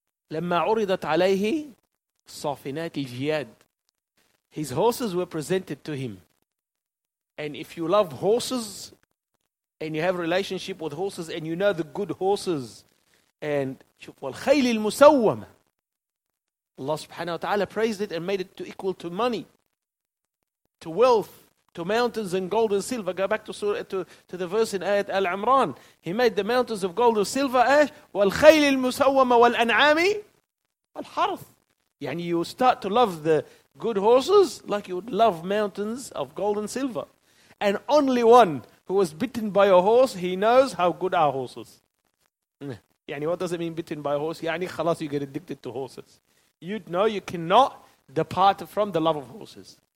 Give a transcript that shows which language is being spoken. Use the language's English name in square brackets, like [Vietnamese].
[Arabic] لما عرضت عليه صافنات الجياد. [English] His horses were presented to him. And if you love horses and you have a relationship with horses and you know the good horses, and [Arabic] شوف والخيل المسومة. [English] Allah subhanahu wa ta'ala praised it and made it to equal to money, to wealth, to mountains and gold and silver. Go back to surah, to the verse in Ayat Al-Imran. He made the mountains of gold and silver. [Arabic] والخيل المسومة والأنعام والحرث. يعني [English] you start to love the good horses like you would love mountains of gold and silver. And only one who was bitten by a horse, he knows how good our horses. [Arabic] يعني [English] what does it mean bitten by a horse? [Arabic] يعني خلاص [English] you get addicted to horses. You'd know you cannot depart from the love of horses.